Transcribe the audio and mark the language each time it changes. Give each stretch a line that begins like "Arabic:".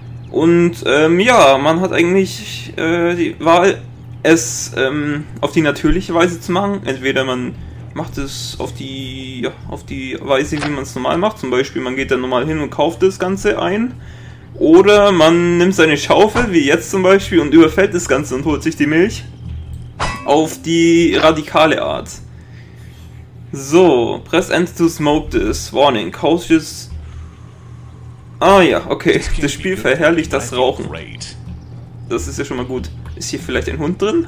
German: Und ja, man hat eigentlich die Wahl, es auf die natürliche Weise zu machen. Entweder man macht es auf die, ja, auf die Weise, wie man es normal macht. Zum Beispiel, man geht dann normal hin und kauft das Ganze ein. Oder man nimmt seine Schaufel, wie jetzt zum Beispiel, und überfällt das Ganze und holt sich die Milch. Auf die radikale Art.
English: So, press end to smoke this. Warning, cautious.
German: Ah ja, okay. Das Spiel verherrlicht das Rauchen. Das ist ja schon mal gut. Ist hier vielleicht ein Hund drin?